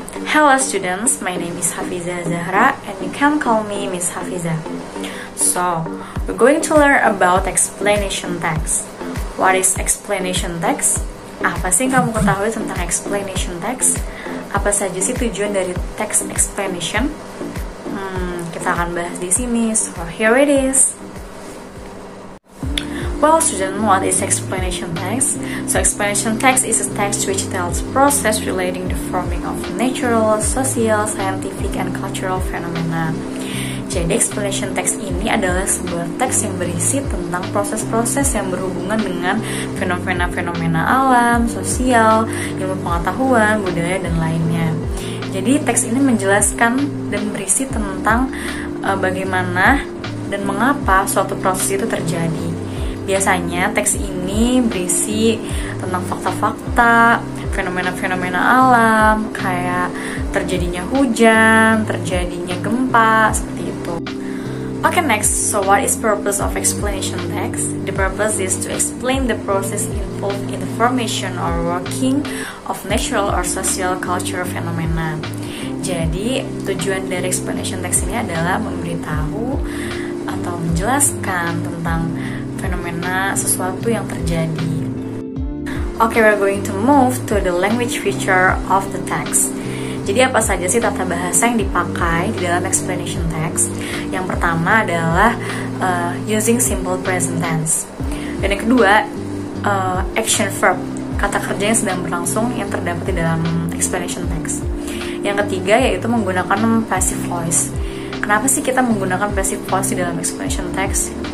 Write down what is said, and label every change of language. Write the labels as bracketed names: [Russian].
[English] Hello students, my name is Hafizhah Zahra and you can call me Miss Hafizhah. So, we're going to learn about explanation text. What is explanation text? [Indonesian] Apa sih kamu ketahui tentang explanation text? Apa saja sih tujuan dari text explanation? Kita akan bahas di sini. [English] So, here it is. Well, student, what is explanation text? So, explanation text is a text which tells process relating the forming of natural, social, scientific, and cultural phenomena. [Indonesian] Jadi, explanation text ini adalah sebuah teks yang berisi tentang proses-proses yang berhubungan dengan fenomena-fenomena alam, sosial, ilmu pengetahuan, budaya, dan lainnya. Jadi, teks ini menjelaskan dan berisi tentang bagaimana dan mengapa suatu proses itu terjadi. Biasanya teks ini berisi tentang fakta-fakta, fenomena-fenomena alam, kayak terjadinya hujan, terjadinya gempa, seperti itu. [English] Okay, next, so what is purpose of explanation text? The purpose is to explain the process involved in the formation or working of natural or social culture phenomena. [Indonesian] Jadi, tujuan dari explanation text ini adalah memberitahu atau menjelaskan tentang fenomena sesuatu yang terjadi. [English] Okay, we're going to move to the language feature of the text. [Indonesian] Jadi apa saja sih tata bahasa yang dipakai di dalam explanation text? Yang pertama adalah [English] using simple present tense. [Indonesian] Dan yang kedua, action verb, kata kerja yang sedang berlangsung yang terdapat di dalam explanation text. Yang ketiga yaitu menggunakan passive voice. Kenapa sih kita menggunakan passive voice di dalam explanation text?